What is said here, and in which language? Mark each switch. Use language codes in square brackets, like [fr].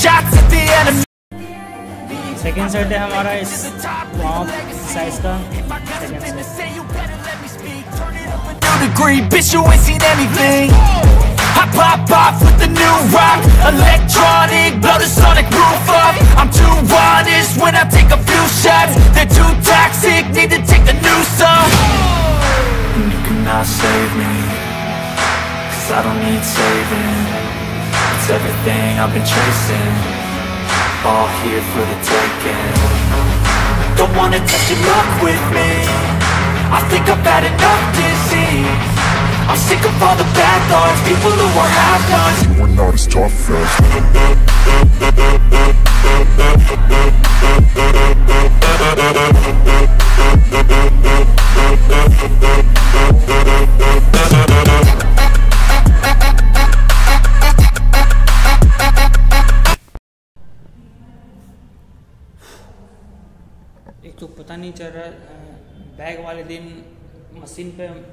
[hi] Second set है हमारा इस साइज का। [en] I pop off with the new rock, electronic, blow the sonic roof up. I'm too honest when I take a few shots. They're too toxic, need to take a new song. And you cannot save me, cause I don't need saving. It's everything I've been chasing, all here for the taking. Don't wanna touch your luck with me, I think I've had enough disease. I'm sick of all the bad thoughts, people who are half done. You are not as tough as [hi] एक तो पता नहीं चल रहा bag वाले दिन machine पे